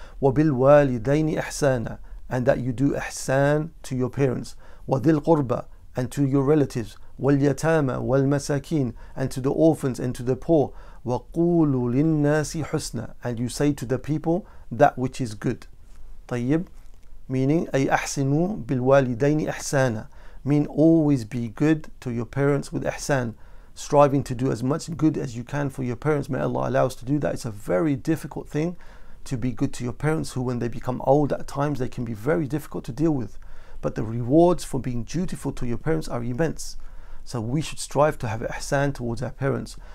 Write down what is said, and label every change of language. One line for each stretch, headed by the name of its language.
Arabic: وَبِالْوَالِدَيْنِ إِحْسَانًا,
English: and that you do ihsan to your parents.
Arabic: وَذِي الْقُرْبَى,
English: and to your relatives.
Arabic: وَالْيَتَامَ وَالْمَسَاكِينَ
English: And to the orphans and to the poor.
Arabic: وَقُولُوا لِلنَّاسِ حُسْنًا
English: And you say to the people that which is good.
Arabic: طيب. Meaning, أي أحسنوا بالوالدين إحسانا.
English: Mean always be good to your parents with ihsan. Striving to do as much good as you can for your parents. May Allah allow us to do that. It's a very difficult thing to be good to your parents who when they become old at times they can be very difficult to deal with. But the rewards for being dutiful to your parents are immense. So we should strive to have ihsan towards our parents.